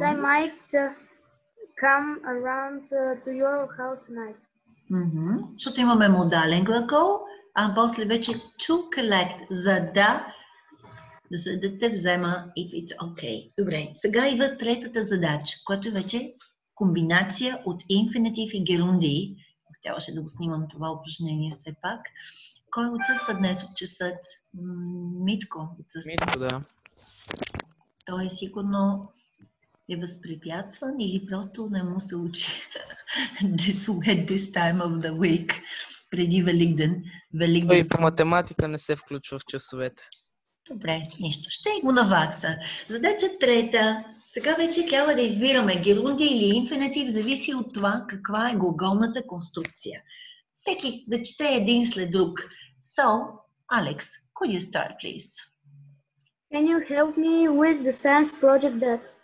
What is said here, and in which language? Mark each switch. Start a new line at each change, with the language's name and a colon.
English: I might come around to your house tonight.
Bulgarian: Защото имаме модален глагол, а после вече
English: to collect,
Bulgarian: за да те взема
English: if it's okay.
Bulgarian: Добре, сега идва третата задача, която вече комбинация от инфинитив и герунди. Трябваше да го снимам това упражнение все пак. Кой отсъства днес от часът? Митко отсъства. Митко, да. Той сигурно е възпрепятстван или просто не му се учи.
English: This week, this time of the week.
Bulgarian: Преди Великден. Той по математика не се включва в часовете. Добре, нищо. Ще го навакса. Задача трета. Сега вече трябва да избираме герунди или инфинитив, зависи от това каква е глаголната конструкция. Всеки да чете един след друг.
English: So, Alex, could you start, please? Can you help me with the science project that...